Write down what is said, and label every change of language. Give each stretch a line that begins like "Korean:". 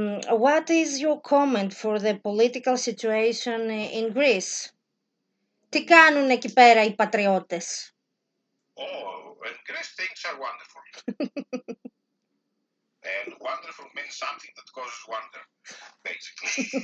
English: What is your comment for the political situation in Greece?
Greek: Τι κάνουν εκεί πέρα οι πατριώτες?
English: Oh, in Greece things are wonderful. And wonderful means something that causes wonder, basically.